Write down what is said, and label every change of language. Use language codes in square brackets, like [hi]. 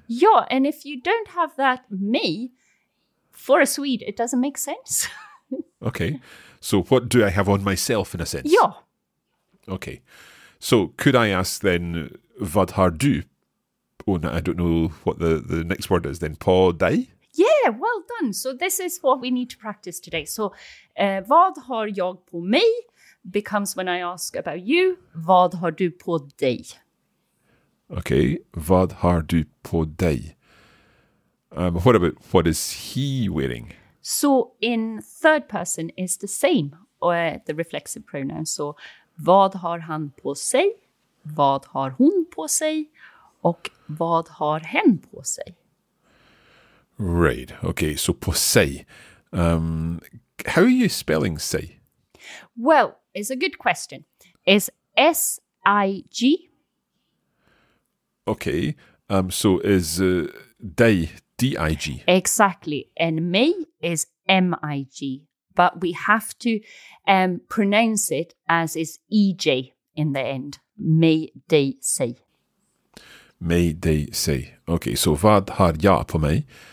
[en] Yeah, and if you don't have that me, for a Swede, it doesn't make sense. Okay, so what do I have on myself, in a sense? Yeah. Okay, so could I ask then, [sv] vad har du? [en] Oh, no, I don't know what the next word is then. [sv] På dig? [en] Yeah, well done. So this is what we need to practice today. So [sv] vad har jag på mig [en] becomes, when I ask about you, [sv] vad har du på dig? [en] Okay, [sv] vad har du på dig? [en] What about, what is he wearing? So in third person is the same, or the reflexive pronoun. [sv] So vad har han på sig? Vad har hon på sig? Och vad har hen på sig? [en] Right, okay, so [sv] på sig. [en] How are you spelling sig? Well, it's a good question. It's S-I-G. Okay, so is dig, D-I-G? Exactly, and mig is M-I-G, but we have to pronounce it as is E-J in the end. [sv] Mig, dig, sig. Mig, dig, sig. [en] Okay, so [sv] vad har jag på mig?